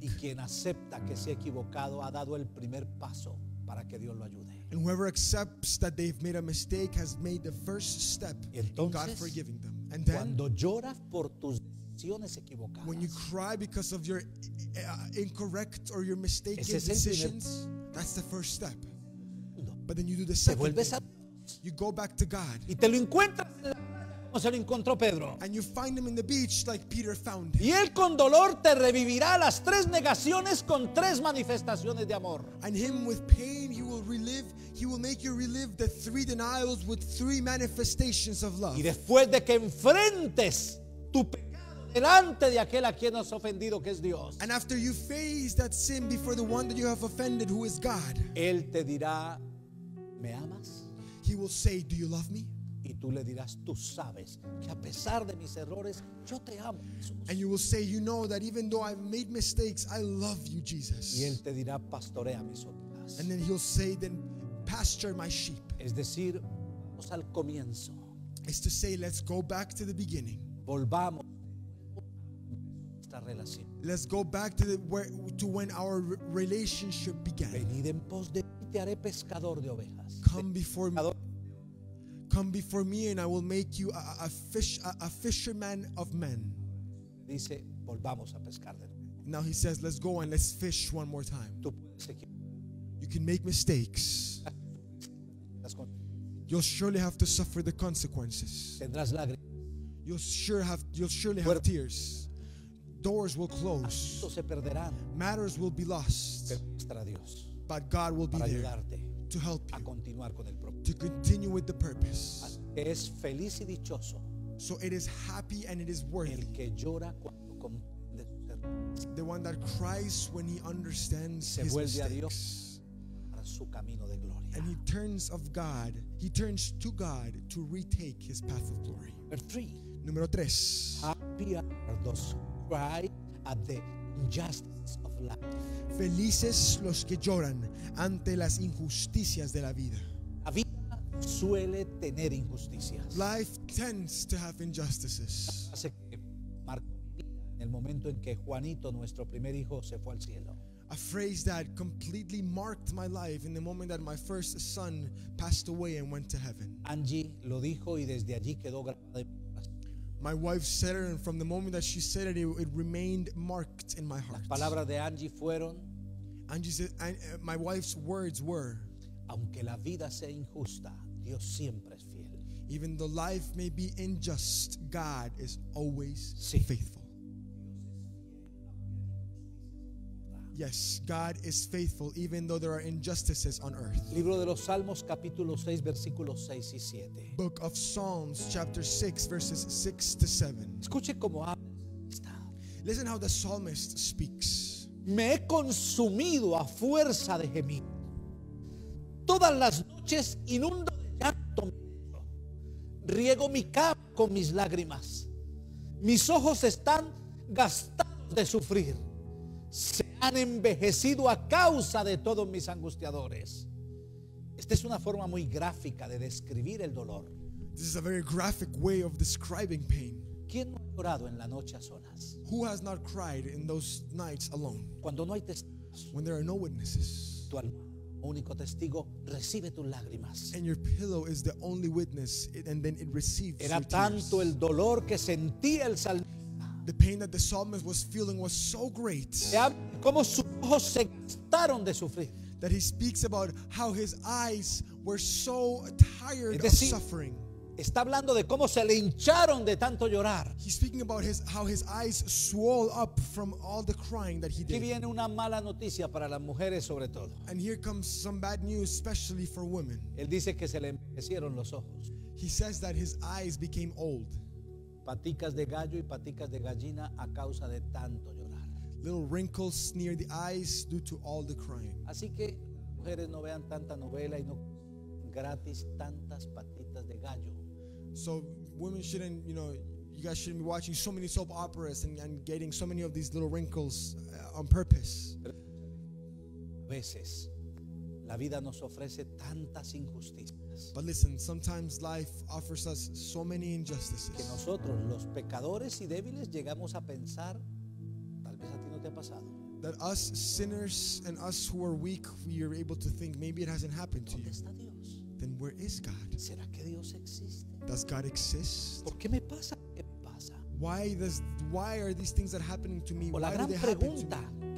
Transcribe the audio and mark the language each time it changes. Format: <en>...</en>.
<es>Y quien acepta que se ha equivocado ha dado el primer paso para que Dios lo ayude.</es> <en>And whoever accepts that they've made a mistake has made the first step.</en> <es>Entonces,</es> <en>in God forgiving them. And then,</en> <es>cuando lloras por tus decisiones equivocadas,</es> <en>when you cry because of your incorrect or your mistaken decisions, that's the first step.</en> <es>No.</es> <en>But then you do the second.</en> <es>Te vuelves a</es> <en>you go back to God.</en> <es>Y te lo encuentras en la se lo encontró Pedro.</es> <en>And you find him in the beach like Peter found him.</en> <es>Y él con dolor te revivirá las tres negaciones con tres manifestaciones de amor.</es> <en>And him with pain he will make you relive the three denials with three manifestations of love.</en> <es>Y después de que enfrentes tu pecado delante de aquel a quien has ofendido que es Dios.</es> <en>And after you face that sin before the one that you have offended who is God.</en> <es>Él te dirá, ¿me amas?</es> <en>He will say, do you love me?</en> <es>Y tú le dirás, tú sabes que a pesar de mis errores, yo te amo, Jesús.</es> <en>And you will say, you know that even though I've made mistakes, I love you, Jesus.</en> <es>Y él te dirá, pastorea mis ovejas.</es> <en>And then he'll say, then pasture my sheep.</en> <es>Es decir, vamos al comienzo.</es> <en>It's to say, let's go back to the beginning.</en> <es>Volvamos a esta relación.</es> <en>Let's go back to when our relationship began.</en> <es>Venid en pos de mí, te haré pescador de ovejas.</es> <en>Come before me. Come before me and I will make you a fisherman of men.</en> <es>Dice, volvamos a pescar de nuevo.</es> <en>Now he says, let's go and let's fish one more time. You can make mistakes. You'll surely have to suffer the consequences.</en> <es>Tendrás lágrimas.</es> <en>You'll surely have tears. Doors will close.</en> <es>Asuntos se perderán.</es> <en>Matters will be lost.</en> <es>Pero Dios.</es> <en>But God will be</en> <es>para</es> <en>there.</en> <es>Ayudarte.</es> <en>To help you</en> <es>a continuar con el propósito.</es> <en>To continue with the purpose.</en> <es>Es feliz y dichoso.</es> <en>So it is happy and it is worthy.</en> <es>El que llora cuando comprende su error.</es> <en>The one that cries when he understands</en> <es>se</es> <en>his</en> <es>vuelve</es> <en>mistakes.</en> <es>A Dios para su camino de gloria.</es> <en>And he turns of God, he turns to God to retake his path of glory.</en> <es>Número tres.</es> <en>Happy are those who cry at the injustice of life.</en> <es>Felices los que lloran ante las injusticias de la vida. La vida suele tener injusticias.</es> <en>Life tends to have injustices.</en> <es>Hace que marcó mi vida en el momento en que Juanito, nuestro primer hijo, se fue al cielo.</es> <en>A phrase that completely marked my life in the moment that my first son passed away and went to heaven.</en> <es>Angie lo dijo y desde allí quedó grabado.</es> <en>My wife said it, and from the moment that she said it, it remained marked in my heart.</en> <es>Las palabras de Angie fueron,</es> <en>Angie said, my wife's words were,</en> <es>aunque la vida sea injusta, Dios siempre es fiel.</es> <en>Even though life may be unjust, God is always</en> <es>sí.</es> <en>faithful. Yes, God is faithful even though there are injustices on earth.</en> <es>Libro de los Salmos, capítulo 6, versículos 6 y 7.</es> <en>Book of Psalms, chapter 6, verses 6 to 7.</en> <es>Escuche cómo habla.</es> <en>Listen how the psalmist speaks.</en> <es>Me he consumido a fuerza de gemir. Todas las noches inundo de llanto. Riego mi cama con mis lágrimas. Mis ojos están gastados de sufrir. Se han envejecido a causa de todos mis angustiadores. Esta es una forma muy gráfica de describir el dolor.</es> <en>This is a very graphic way of describing pain.</en> <es>¿Quién no ha llorado en la noche a solas?</es> <en>Who has not cried in those nights alone?</en> <es>Cuando no hay testigos.</es> <en>When there are no witnesses.</en> <es>Tu alma, único testigo, recibe tus lágrimas.</es> <en>And your pillow is the only witness, and then it receives your tears.</en> <es>Era tanto el dolor que sentía el salmista.</es> <en>The pain that the psalmist was feeling was so great.</en> <es>Cómo sus ojos se gastaron de sufrir.</es> <en>That he speaks about how his eyes were so tired,</en> <es>es decir,</es> <en>of suffering.</en> <es>Está hablando de cómo se le hincharon de tanto llorar.</es> <en>He's speaking about how his eyes swelled up from all the crying that he did.</en> <es>Aquí viene una mala noticia para las mujeres sobre todo.</es> <en>And here comes some bad news, especially for women.</en> <es>Él dice que se le envejecieron los ojos.</es> <en>He says that his eyes became old.</en> <es>Paticas de gallo y paticas de gallina a causa de tanto llorar.</es> <en>Little wrinkles near the eyes due to all the crying.</en> <es>Así que mujeres no vean tanta novela y no gratis tantas patitas de gallo.</es> <en>So women shouldn't, you know, you guys shouldn't be watching so many soap operas and getting so many of these little wrinkles on purpose.</en> <es>A veces la vida nos ofrece tantas injusticias.</es> <en>But listen, sometimes life offers us so many injustices.</en> <es>Que nosotros, los pecadores y débiles, llegamos a pensar, tal vez a ti no te ha pasado.</es> <en>That us sinners and us who are weak, we are able to think maybe it hasn't happened to you.</en> <es>¿Dónde está Dios?</es> <en>Then where is God?</en> <es>¿Será que Dios existe?</es> <en>Does God exist?</en> <es>¿Por qué me pasa? ¿Qué me pasa?</es> <en>Why are these things that are happening to me?</en> <es>O la</es> <en>why</en> <es>gran</es> <en>do they</en> <es>pregunta</es> <en>happen to me?</en>